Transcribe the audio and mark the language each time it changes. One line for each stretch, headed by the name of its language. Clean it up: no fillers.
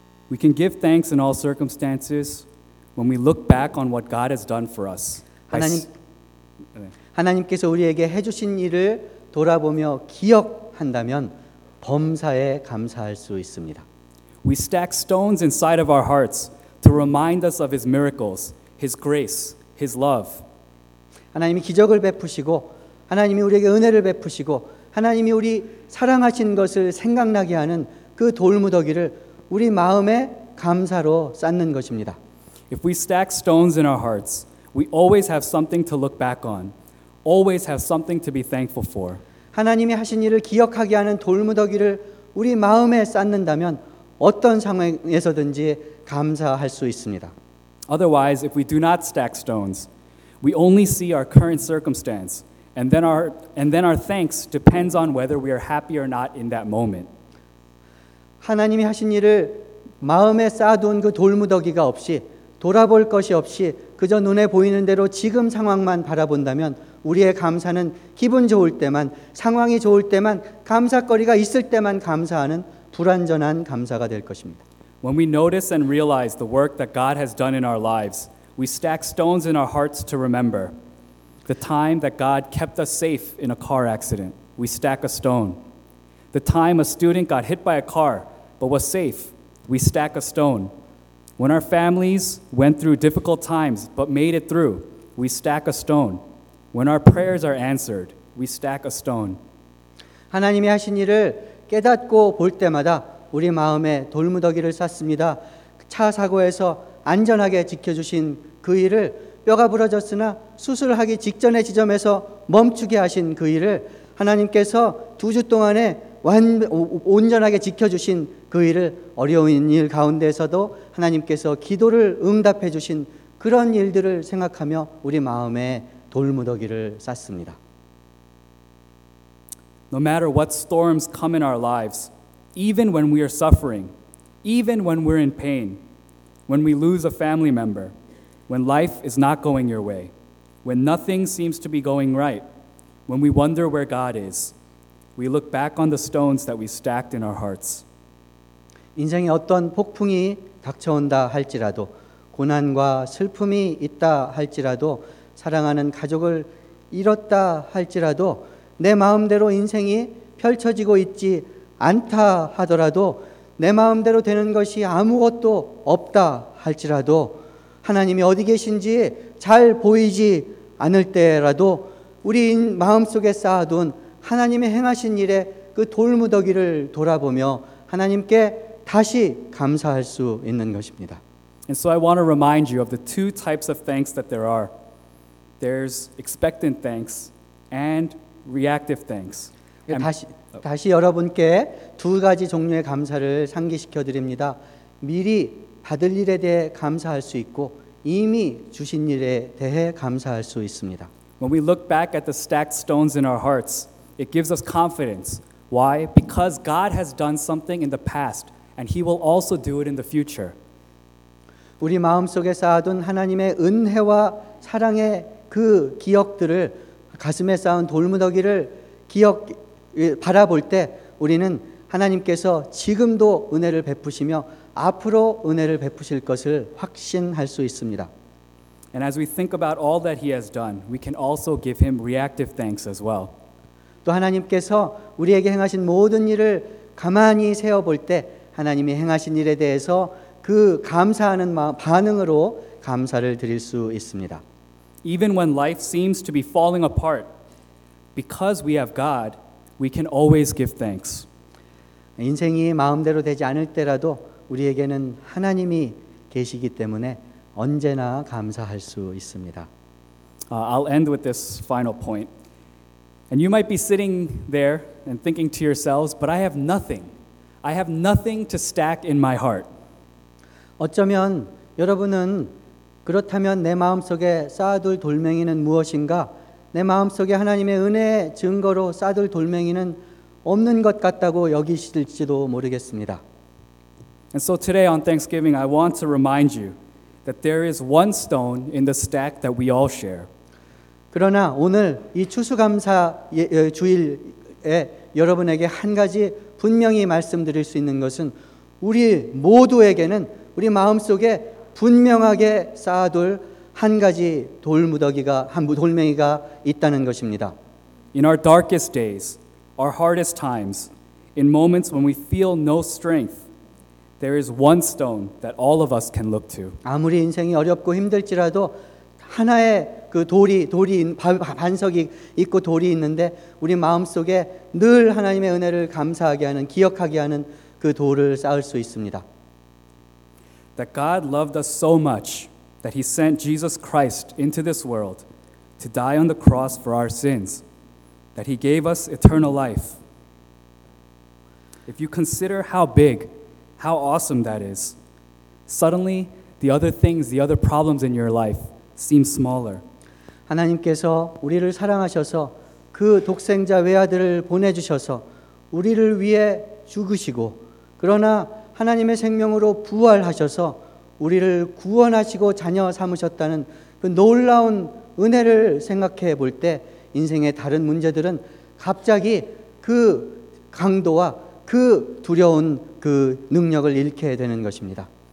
English: We can give thanks in all circumstances when we look back on what God has done for us.
Korean: 하나님께서 우리에게 해주신 일을 돌아보며 기억한다면 범사에 감사할 수 있습니다.
English: We stack stones inside of our hearts to remind us of His miracles, His grace, His love.
Korean: 하나님이 기적을 베푸시고 하나님이 우리에게 은혜를 베푸시고 하나님이 우리 사랑하신 것을 생각나게 하는 그 돌무더기를 우리 마음에 감사로 쌓는 것입니다.
English: If we stack stones in our hearts, we always have something to look back on. Always have something to be thankful for.
Korean: 하나님이 하신 일을 기억하게 하는 돌무더기를 우리 마음에 쌓는다면 어떤 상황에서든지 감사할 수 있습니다.
English: Otherwise, if we do not stack stones, we only see our current circumstance, and then our thanks depends on whether we are happy or not in that moment.
Korean: 하나님이 하신 일을 마음에 쌓아둔 그 돌무더기가 없이 돌아볼 것이 없이 그저 눈에 보이는 대로 지금 상황만 바라본다면 우리의 감사는 기분 좋을 때만 상황이 좋을 때만 감사거리가 있을 때만 감사하는 불완전한 감사가 될 것입니다.
English: When we notice and realize the work that God has done in our lives, we stack stones in our hearts to remember the time that God kept us safe in a car accident. We stack a stone. The time a student got hit by a car but was safe, we stack a stone. When our families went through difficult times but made it through, we stack a stone. When our prayers are answered, we stack a stone.
Korean: 하나님이 하신 일을 깨닫고 볼 때마다 우리 마음에 돌무더기를 쌓습니다. 차 사고에서 안전하게 지켜주신 그 일을 뼈가 부러졌으나 수술하기 직전의 지점에서 멈추게 하신 그 일을 하나님께서 두 주 동안에 온전하게 지켜주신 그 일을 어려운 일 가운데서도 하나님께서 기도를 응답해 주신 그런 일들을 생각하며 우리 마음에 돌무더기를 쌓습니다.
English: No matter what storms come in our lives, even when we are suffering, even when we're in pain, when we lose a family member, when life is not going your way, when nothing seems to be going right, when we wonder where God is, we look back on the stones that we stacked in our hearts.
Korean: 인생에 어떤 폭풍이 닥쳐온다 할지라도 고난과 슬픔이 있다 할지라도 사랑하는 가족을 잃었다 할지라도 내 마음대로 인생이 펼쳐지고 있지 않다 하더라도 내 마음대로 되는 것이 아무것도 없다 할지라도 하나님이 어디 계신지 잘 보이지 않을 때라도 우리 마음속에 쌓아둔 하나님의 행하신 일에 그 돌무더기를 돌아보며 하나님께 다시 감사할 수 있는 것입니다.
English: And so I want to remind you of the two types of thanks that there are. There's expectant thanks and reactive thanks.
Korean: 다시 여러분께 두 가지 종류의 감사를 상기시켜 드립니다. 미리 받을 일에 대해 감사할 수 있고 이미 주신 일에 대해 감사할 수 있습니다.
English: When we look back at the stacked stones in our hearts, it gives us confidence. Why? Because God has done something in the past and He will also do it in the future.
Korean: 우리 마음속에 쌓아둔 하나님의 은혜와 사랑의 그 기억들을 가슴에 쌓은 돌무더기를 기억 바라볼 때 우리는 하나님께서 지금도 은혜를 베푸시며 앞으로 은혜를 베푸실 것을 확신할 수 있습니다.
English: And as we think about all that he has done, we can also give him reactive thanks as well.
Korean: 또 하나님께서 우리에게 행하신 모든 일을 가만히 세어 볼 때 하나님이 행하신 일에 대해서 그 감사하는 반응으로 감사를 드릴 수 있습니다.
English: Even when life seems to be falling apart, because we have God, We can always give thanks.
Korean: 인생이 마음대로 되지 않을 때라도 우리에게는 하나님이 계시기 때문에 언제나 감사할 수 있습니다.
English: I'll end with this final point. And you might be sitting there and thinking to yourselves, but I have nothing. I have nothing to stack in my heart.
Korean: 어쩌면 여러분은 그렇다면 내 마음속에 쌓아둘 돌멩이는 무엇인가? 내 마음속에 하나님의 은혜의 증거로 쌓아둘 돌멩이는 없는 것 같다고 여기실지도 모르겠습니다.
English: And so today on Thanksgiving, I want to remind you that there is one stone in the stack that we all share.
Korean: 그러나 오늘 이 추수감사 주일에 여러분에게 한 가지 분명히 말씀드릴 수 있는 것은 우리 모두에게는 우리 마음속에 분명하게 쌓아둘 한 가지 돌무더기가 한 돌멩이가 있다는 것입니다.
English: In our darkest days, our hardest times, in moments when we feel no strength, there is one stone that all of us can look to.
Korean: 아무리 인생이 어렵고 힘들지라도 하나의 그 돌이 반석이 있고 돌이 있는데 우리 마음속에 늘 하나님의 은혜를 감사하게 하는 기억하게 하는 그 돌을 쌓을 수 있습니다.
English: That God loved us so much that he sent Jesus Christ into this world to die on the cross for our sins, that he gave us eternal life. If you consider how big, how awesome that is, suddenly the other things, the other problems in your life seem smaller.
Korean: 하나님께서 우리를 사랑하셔서 그 독생자 외아들을 보내주셔서 우리를 위해 죽으시고 그러나 하나님의 생명으로 부활하셔서 우리를 구원하시고 자녀 삼으셨다는 그 놀라운 은혜를 생각해 볼 때 인생의 다른 문제들은 갑자기 그 강도와 그 두려운 그 능력을 잃게 되는 것입니다.